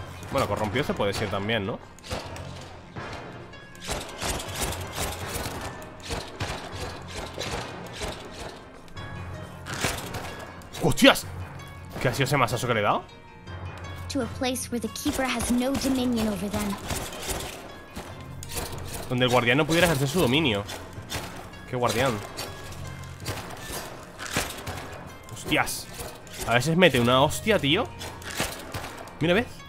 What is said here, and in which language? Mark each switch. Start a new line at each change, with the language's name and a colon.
Spanish: Bueno, corrompido se puede decir también, ¿no? ¡Hostias! ¿Qué ha sido ese masazo que le he dado?
English: To a place where the keeper has no dominion over them.
Spanish: Donde el guardián no pudiera ejercer su dominio. ¿Qué guardián? ¡Hostias! A veces mete una hostia, tío. Mira, ¿ves?